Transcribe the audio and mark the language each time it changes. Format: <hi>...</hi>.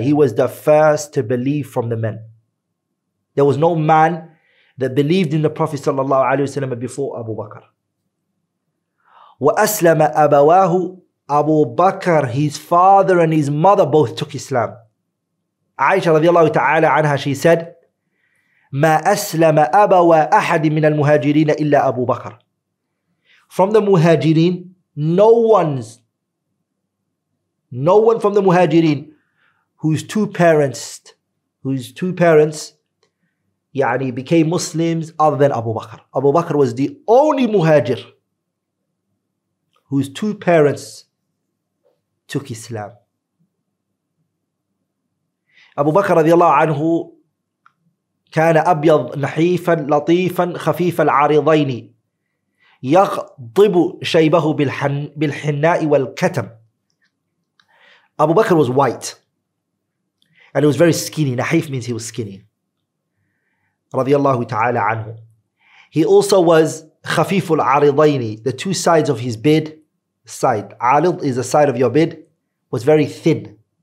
<en>He was the first to believe from the men. There was no man that believed in the Prophet sallallahu alayhi wa sallam before Abu Bakr.</en> <ar>Wa aslama abawahu</ar> <en>Abu Bakr, his father and his mother both took Islam.</en> <ar>Aisha radiallahu ta'ala anha,</ar> <en>she said,</en> <ar>ما أسلم أبوا أحد من المهاجرين إلا أبو بكر.</ar> <en>From the muhajirin, no one from the muhajirin whose two parents يعني became Muslims other than Abu Bakr. Abu Bakr was the only muhajir whose two parents took Islam.</en> <ar>Abu Bakr radiallahu anhu كان أبيض نحيفا لطيفا خفيف العارضين يغضب شيبه بالحناء والكتم.</ar> <en>Abu Bakr was white and he was very skinny.</en> <ar>نحيف</ar> <en>means he was skinny.</en> <ar>رضي الله تعالى عنه.</ar> <en>He also was</en> <ar>خفيف العارضين.</ar> <en>The two sides of his bed, side, عارض is the side of your bed, was very thin.</en>